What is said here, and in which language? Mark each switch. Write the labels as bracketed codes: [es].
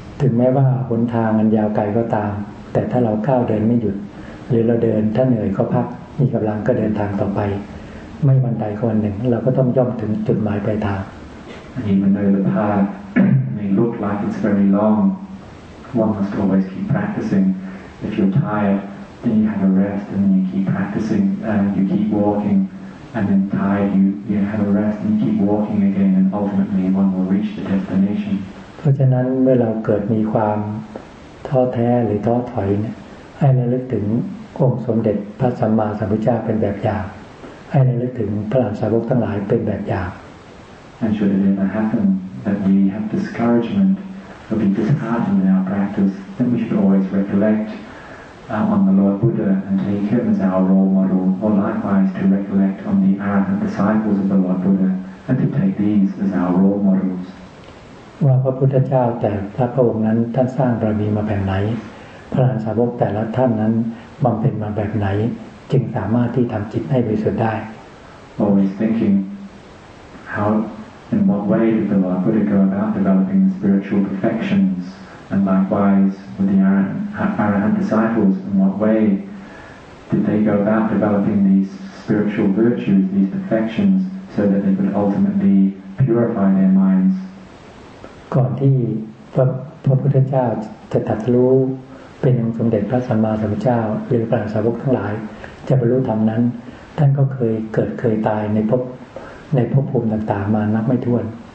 [th] ถึงแม้ว่าหนทางมันยาวไกลก็ตามแต่ถ้าเราก้าวเดินไม่หยุดหรือเราเดินถ้าเหนื่อยก็พักมีกำลังก็เดินทางต่อไปไม่วันใดก็วันหนึ่งเราก็ต้องย่อมถึงจุดหมายปลายทาง [en] Even though the pathLook like it's very long. One must always keep practicing. If you're tired, then you have a rest, and then you keep practicing, and you keep walking, and then tired, you have a rest, and you keep walking again, and ultimately one will reach the destination. [th] เพราะฉะนั้นเมื่อเราเกิดมีความท้อแท้หรือท้อถอยเนี่ยให้ระลึกถึงองค์สมเด็จพระสัมมาสัมพุทธเจ้าเป็นแบบอย่างให้ระลึกถึงพระอรหันตสาวกทั้งหลายเป็นแบบอย่าง [en] And should it ever happenThat we have discouragement, or be disheartened in our practice, then we should always recollect on the Lord Buddha and take him as our role model, or likewise to recollect on the Arahant disciples of the Lord Buddha and to take these as our role models. [th] ว่าพระพุทธเจ้าแต่ละพระองค์นั้นท่านสร้างบารมีมาแบบไหนพระอรหันตสาวกแต่ละท่านนั้นบำเพ็ญมาแบบไหนจึงสามารถที่ทำจิตให้บริสุทธิ์ได้ [en] Always thinking howIn what way did the Lord Buddha go about developing the spiritual perfections? And likewise, with the Arahant disciples, in what way did they go about developing these spiritual virtues, these perfections, so that they could ultimately purify their minds? [th] ก่อนที่พระพุทธเจ้าจะตรัสรู้เป็นองค์สมเด็จพระสัมมาสัมพุทธเจ้าหรือพระสาวกทั้งหลายจะบรรลุธรรมนั้นท่านก็เคยเกิดเคยตายในภพภูมิต่างๆมานับไม่ถ้วน